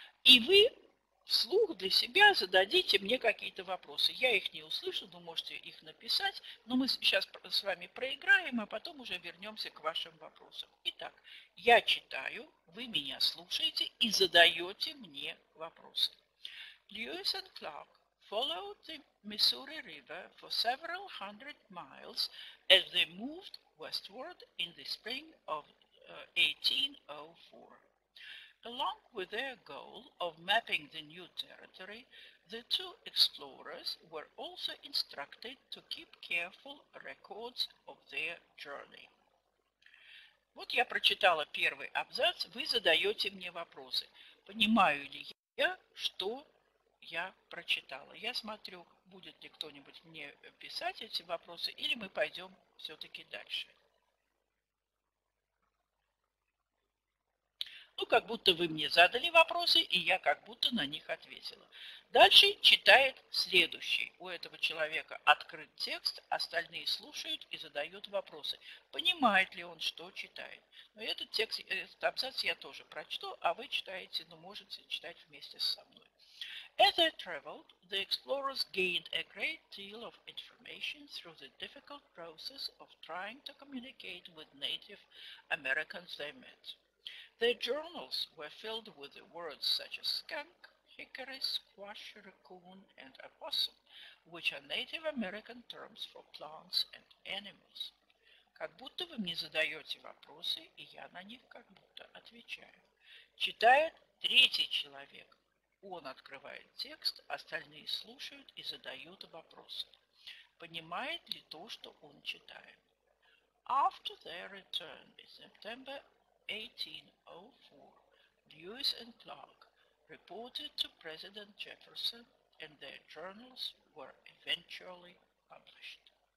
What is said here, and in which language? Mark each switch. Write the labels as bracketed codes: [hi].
[ru] И вы вслух для себя зададите мне какие-то вопросы. Я их не услышу, но можете их написать. Но мы сейчас с вами проиграем, а потом уже вернемся к вашим вопросам. Итак, я читаю, вы меня слушаете и задаете мне вопросы. [en] Lewis and Clark followed the Missouri River for several hundred miles as they moved westward in the spring of 1804. Along with their goal of mapping the new territory, the two explorers were also instructed to keep careful records of their journey. [ru] Вот я прочитала первый абзац, вы задаете мне вопросы. Понимаю ли я, что я прочитала. Я смотрю, будет ли кто-нибудь мне писать эти вопросы, или мы пойдем все-таки дальше. Как будто вы мне задали вопросы, и я как будто на них ответила. Дальше читает следующий. У этого человека открыт текст, остальные слушают и задают вопросы. Понимает ли он, что читает? Но этот текст, этот абзац я тоже прочту, а вы читаете, можете читать вместе со мной. [en] As I traveled, the explorers gained a great deal of information through the difficult process of trying to communicate with Native Americans they met. Their journals were filled with the words such as skunk, hickory, squash, raccoon, and opossum, which are Native American terms for plants and animals. [ru] Как будто вы мне задаете вопросы, и я на них как будто отвечаю. Читает третий человек. Он открывает текст, остальные слушают и задают вопросы. Понимает ли то, что он читает? [en] After their return in September 1804, Lewis and Clark reported to President Jefferson, and their journals were eventually published.